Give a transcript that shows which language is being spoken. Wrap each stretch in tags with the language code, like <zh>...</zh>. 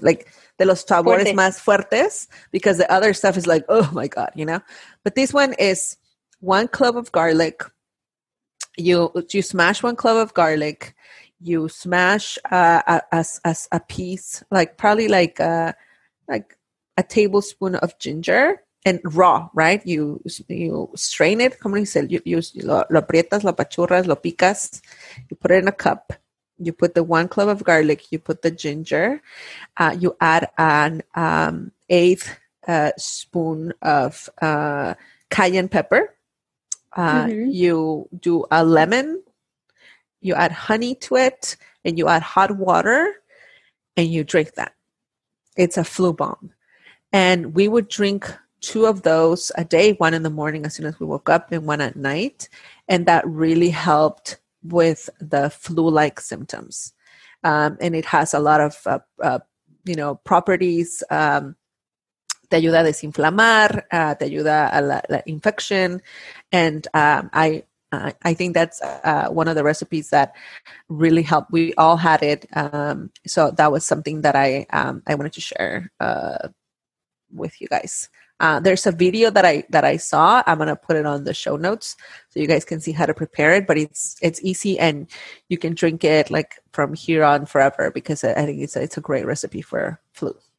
<en>Like</en> <es>de los sabores más fuertes,</es> <en>because the other stuff is like, oh my God, you know, but this one is 1 clove of garlic. You smash 1 clove of garlic, you smash a piece, like probably like a tablespoon of ginger and raw, right? You strain it.</en> <es>¿Cómo se dice? Lo aprietas, lo apachurras, lo picas.</es> <en>You put it in a cup. You put the 1 clove of garlic. You put the ginger. You add an eighth spoon of cayenne pepper. You do a lemon, you add honey to it, and you add hot water, and you drink that. It's a flu balm. And we would drink 2 of those a day, 1 in the morning as soon as we woke up and 1 at night. And that really helped with the flu-like symptoms. And it has a lot of, you know, properties.</en> <es>Te ayuda a desinflamar, te ayuda a la infección.</es> <en>And I think that's one of the recipes that really helped. We all had it. So that was something that I wanted to share with you guys. There's a video that I saw. I'm going to put it on the show notes so you guys can see how to prepare it. But it's easy and you can drink it like from here on forever because I think it's a great recipe for flu.</en>